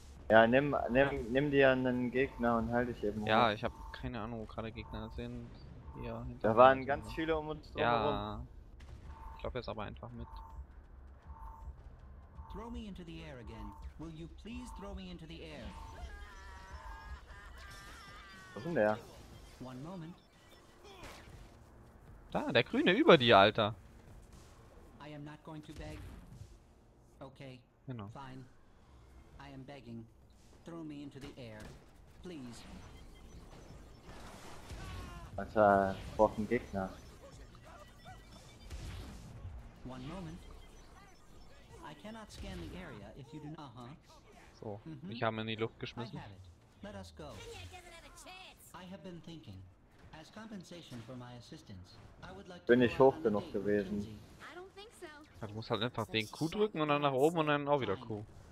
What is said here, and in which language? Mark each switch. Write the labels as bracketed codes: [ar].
[de] Ja, nimm dir einen Gegner und heil dich eben. Ja, hoch. Ich hab keine Ahnung, wo gerade Gegner sind. Hier da waren ganz viele um uns drumherum. Ja. Ich glaub jetzt aber einfach mit. [en] Throw me into the air again. Will you please throw me into the air? [de] Was ist denn der? [en] One moment. [de] Da, der Grüne über dir, Alter. [en] I am not going to beg. Okay. Genau. Fine. I am begging. Throw me into the air. Please. [de] Alter, brauch einen Gegner. [en] One moment. I cannot scan the area if you do not, huh? [de] So, ich habe ihn in die Luft geschmissen. [en] I have it. Let us go. I have been thinking. As compensation for my assistance, I would like to [de] bin ich hoch genug gewesen? Ja, du musst halt einfach den Q drücken und dann nach oben und dann auch wieder Q.